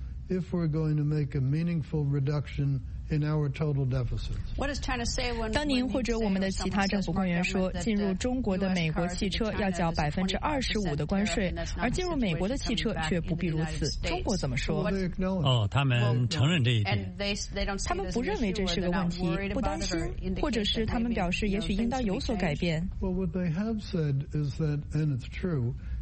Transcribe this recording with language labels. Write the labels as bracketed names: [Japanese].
[English] If we're going to make a meaningful reduction in our total deficits. What does China say when? [Chinese] 当您或者我们的其他政府官员说，进入中国的美国汽车要缴25%的关税，而进入美国的汽车却不必如此，中国怎么说？哦，他们承认这一点。他们不认为这是个问题，不担心，或者是他们表示也许应当有所改变。 [English] Well, what they have said is that, and it's true.